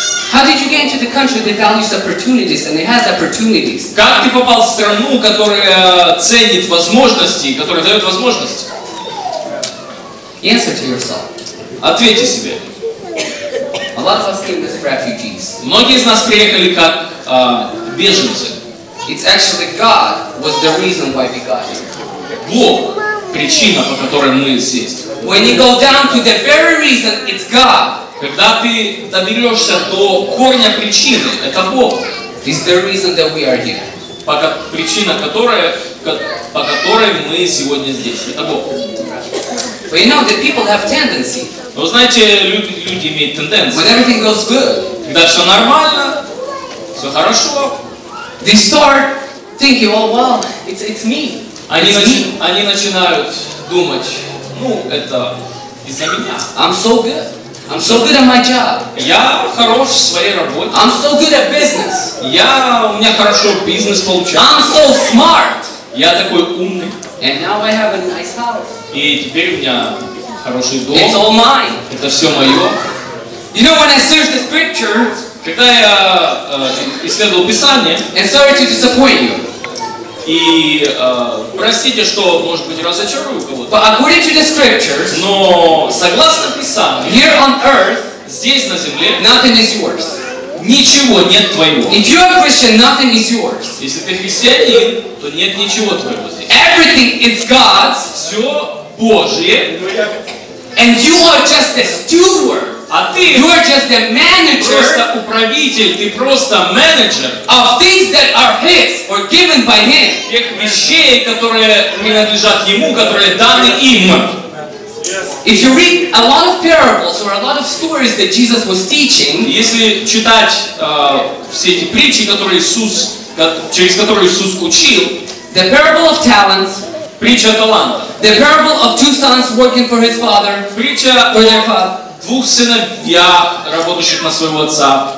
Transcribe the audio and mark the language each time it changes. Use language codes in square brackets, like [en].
[en] How did you get into the country that values opportunities and it has opportunities? [ru] Как ты попал в страну, которая ценит возможности, которая дает возможности? [en] Answer to yourself. [ru] Ответьте себе. [en] A lot of us came as refugees. [ru] Многие из нас приехали как беженцы. [en] It's actually God was the reason why we got here. [ru] Бог причина, по которой мы здесь. [en] When you go down to the very reason, it's God. [ru] Когда ты доберешься до корня причины, это Бог. [en] It's the reason that we are here. [ru] Причина, которая, по которой мы сегодня здесь, это Бог. [en] But you know, the people have tendency. [ru] Но знаете, люди имеют тенденцию. [en] When everything goes good. [ru] Когда все нормально, все хорошо. [en] They start thinking, oh, well, it's me. [ru] Они начинают думать, ну, это из-за меня. [en] I'm so good. I'm so good at my job. [ru] Я хорош в своей работе. [en] I'm so good at business. [ru] У меня хорошо бизнес получается. [en] I'm so smart. [ru] Я такой умный. [en] And now I have a nice house. [ru] И теперь у меня хороший дом. [en] It's all mine. [ru] Это все мое. [en] You know, when I searched the scripture, [ru] когда я исследовал Писание, [en] and sorry to disappoint you. [ru] И простите, что, может быть, разочарую кого-то. [en] But according to the scriptures, [ru] но согласно Писанию, [en] here on earth, [ru] здесь на земле, [en] nothing is yours. [ru] Ничего нет твоего. [en] If you are a Christian, nothing is yours. [ru] Если ты христианин, то нет ничего твоего здесь. [en] Everything is God's. [ru] Все Божье. [en] And you are just a steward. [ru] А ты, [en] you are just the manager, [ru] просто управитель, ты просто менеджер [en] of things that are his or given by him. [ru] Тех вещей, которые принадлежат ему, которые даны им. [en] If you read a lot of parables or a lot of stories that Jesus was teaching, [ru] если читать все эти притчи, которые Иисус, через которые Иисус учил, [en] the parable of talents, [ru] притча о талантах, [en] the parable of two sons working for his father, [ru] притча [en] for their father, [ru] двух сыновья, работающих на своего отца.